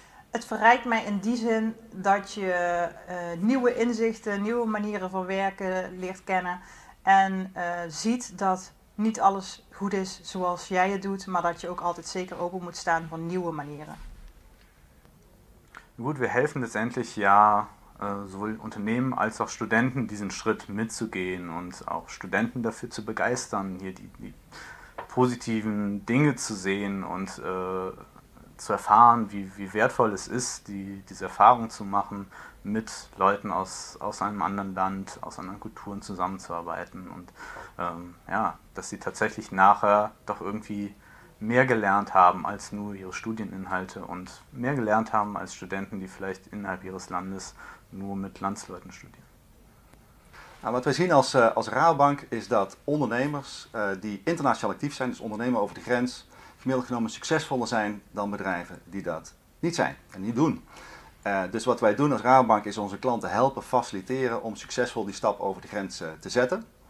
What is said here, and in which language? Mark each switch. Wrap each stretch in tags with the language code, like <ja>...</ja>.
<nl>Het verrijkt mij in die zin dat je nieuwe inzichten, nieuwe manieren van werken leert kennen en ziet dat niet alles goed is zoals jij het doet, maar dat je ook altijd zeker open moet staan voor nieuwe manieren.</nl> <de>Gut, wir helfen letztendlich ja sowohl Unternehmen als auch Studenten diesen Schritt mitzugehen und auch Studenten dafür zu begeistern, hier die positiven Dinge zu sehen und zu erfahren, wie wertvoll es ist, diese Erfahrung zu machen, mit Leuten aus einem anderen Land, aus anderen Kulturen zusammenzuarbeiten und dass sie tatsächlich nachher doch irgendwie mehr gelernt haben als nur ihre Studieninhalte und mehr gelernt haben als Studenten, die vielleicht innerhalb ihres Landes nur mit Landsleuten studieren.</de> <nl>Nou, wat wij zien als Rabobank is dat ondernemers die internationaal actief zijn, dus ondernemen over de grens, gemiddeld genomen succesvoller zijn dan bedrijven die dat niet zijn en niet doen. Dus wat wij doen als Rabobank is onze klanten helpen, faciliteren om succesvol die stap over de grens te zetten.</nl>